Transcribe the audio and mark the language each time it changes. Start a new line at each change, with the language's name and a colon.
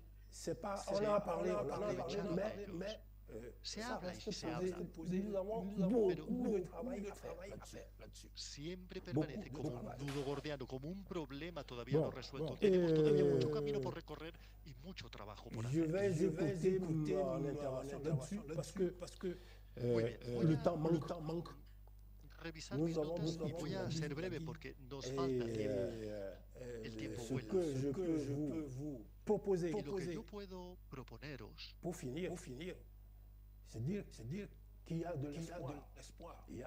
French: C'est pas, on a parlé, mais nous avons beaucoup de travail à faire là-dessus.
Spanish: Siempre permanece como un nudo gordiano, como un problema todavía no resuelto. Tenemos todavía mucho camino por recorrer y mucho trabajo por hacer.
French: Je vais écouter mon intervention là-dessus parce que le temps manque.
Spanish: Revisar mis notas y voy a ser breve porque nos falta el tiempo vuela.
French: Proposer,
Spanish: y lo que yo puedo proponeros
French: pour finir, c'est dire qu'il y a de l'espoir.